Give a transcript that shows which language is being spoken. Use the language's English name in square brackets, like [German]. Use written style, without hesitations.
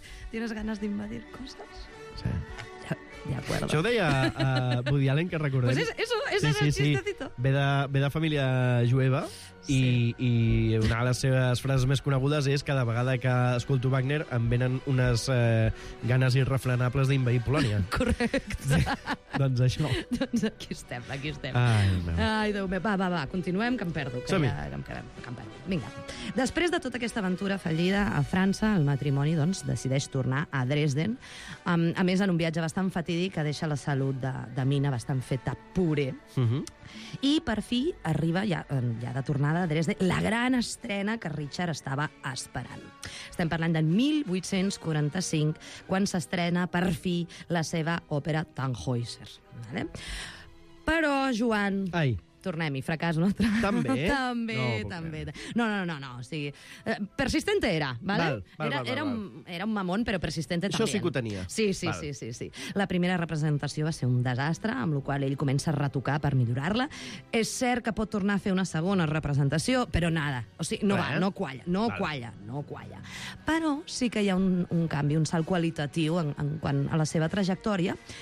[Spanish] ¿Tienes ganas de invadir cosas? Sí. De acuerdo. [Catalan] Això ho deia a Woody Allen, que recordem. [Spanish] Pues eso es el chistecito. [Catalan] Ve de família jueva. Sí. I una de les seves frases més conegudes és cada vegada que escolto Wagner em venen unes ganes irrefrenables d'invadir Polònia. Correcte. Doncs això. Doncs aquí estem. Ai, Déu meu. Va, continuem, que em perdo. Som-hi. Vinga. Després de tota aquesta aventura fallida a França, el matrimoni doncs decideix tornar a Dresden. A més, en un viatge bastant fatídic que deixa la salut de Mina bastant feta puré. I per fi arriba ja de tornada a Dresden la gran estrena que Richard estava esperant. Estem parlant del 1845, quan s'estrena per fi la seva òpera Tannhäuser. Vale? Però, Joan... Ai. Tornem-hi, fracàs un altre. També. No, o sigui, [Spanish] persistente era, ¿vale? Era un mamón, [Catalan] però [Spanish] persistente [Catalan] això també. Això sí que ho tenia. Sí. La primera representació va ser un desastre, amb la qual cosa ell comença a retocar per millorar-la. És cert que pot tornar a fer una segona representació, però nada. O sigui, no qualla. Però sí que hi ha un canvi, un salt qualitatiu en quant a la seva trajectòria.